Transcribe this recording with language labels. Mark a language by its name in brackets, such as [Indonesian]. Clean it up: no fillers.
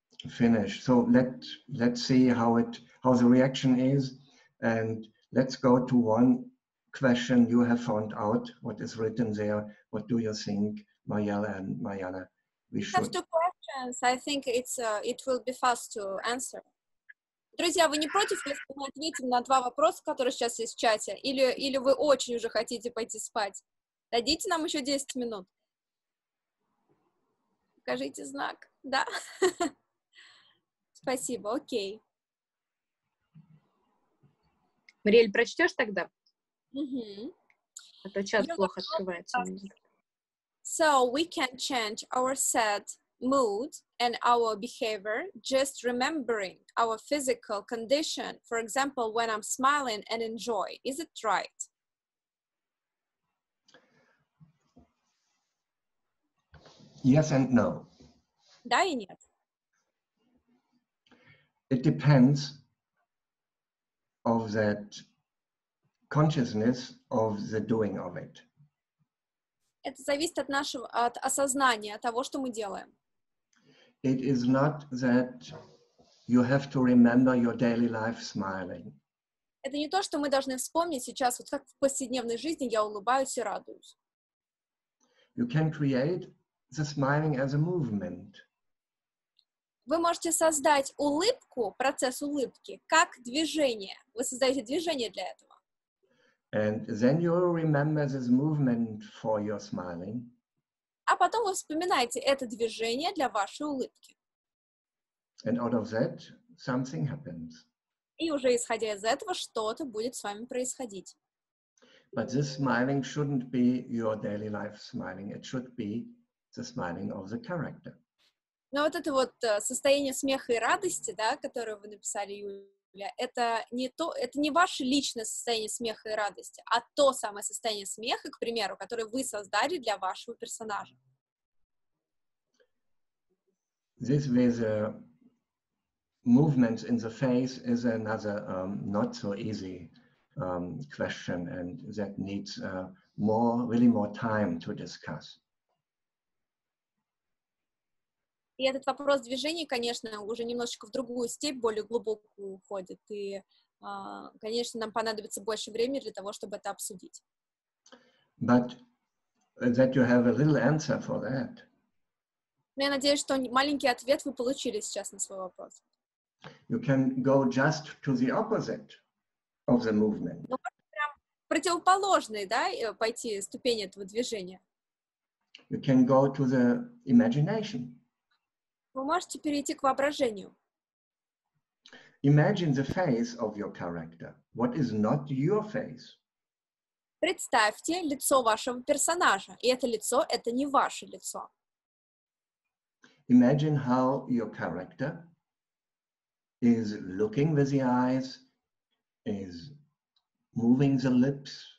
[English] finish. So let's see how the reaction is, and let's go to one question you have found out what is written there. What do you think, Mariella and Mariana? We should have two questions. I think it will be fast to answer. [Russian] Друзья, вы не против, если мы ответим на два вопроса, которые сейчас есть в чате? Или вы очень уже хотите пойти спать? Дадите нам еще 10 минут. Покажите знак. Да? Спасибо. Окей. Мариэль, прочтешь тогда? Это чат плохо открывается. [English] So we can change our set mood and our behavior just remembering our physical condition, for example, when I'm smiling and enjoy. Is it right? Yes and no. [Russian] Да и нет. [English] It depends of that consciousness of the doing of it. [Russian] Это зависит от нашего осознания того, что мы делаем. [English] It is not that you have to remember your daily life smiling. [Russian] Это не то, что мы должны вспомнить сейчас, вот как в повседневной жизни я улыбаюсь и радуюсь. [English] You can create the smiling as a movement. [Russian] Вы можете создать улыбку, процесс улыбки, как движение. Вы создаете движение для этого. [English] And then you remember this movement for your smiling. [Russian] А потом вы вспоминаете это движение для вашей улыбки. [English] And out of that, something happens. [Russian] И уже исходя из этого, что-то будет с вами происходить. [English] But this smiling shouldn't be your daily life smiling. It should be the smiling of the character. [Russian] Но вот это вот состояние смеха и радости, да, которое вы написали, Юля, это не ваше личное состояние смеха и радости, а то самое состояние смеха, к примеру, которое вы создали для вашего персонажа. [English] This with the movements in the face is another not so easy question, and that needs more time to discuss. [Russian] И этот вопрос движения, конечно, уже немножечко в другую степь, более глубокую уходит. И, конечно, нам понадобится больше времени для того, чтобы это обсудить. [English] But that you have a little answer for that. [Russian] Но я надеюсь, что маленький ответ вы получили сейчас на свой вопрос. [English] You can go just to the opposite of the movement. [Russian] Ну, можно прям противоположный, да, пойти ступень этого движения. [English] You can go to the imagination. [Russian] Вы можете перейти к воображению. [English] Imagine the face of your character. What is not your face? [Russian] Представьте лицо вашего персонажа. И это лицо, это не ваше лицо. [English] Imagine how your character is looking with the eyes, is moving the lips.